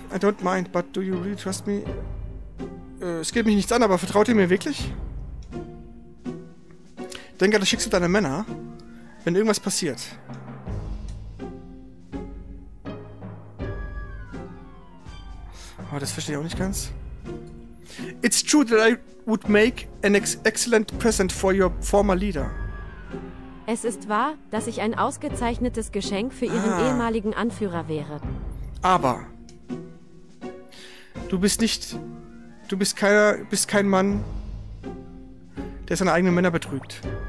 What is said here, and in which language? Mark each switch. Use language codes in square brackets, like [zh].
[en] I don't mind, but do you really trust me? [de] Es geht mich nichts an, aber vertraut ihr mir wirklich? Denk an das Schicksal deiner Männer, wenn irgendwas passiert. Aber das verstehe ich auch nicht ganz. [en] It's true that I would make an excellent present for your former leader. [de] Es ist wahr, dass ich ein ausgezeichnetes Geschenk für ihren ehemaligen Anführer wäre. Aber du bist nicht, du bist keiner, bist kein Mann, der seine eigenen Männer betrügt.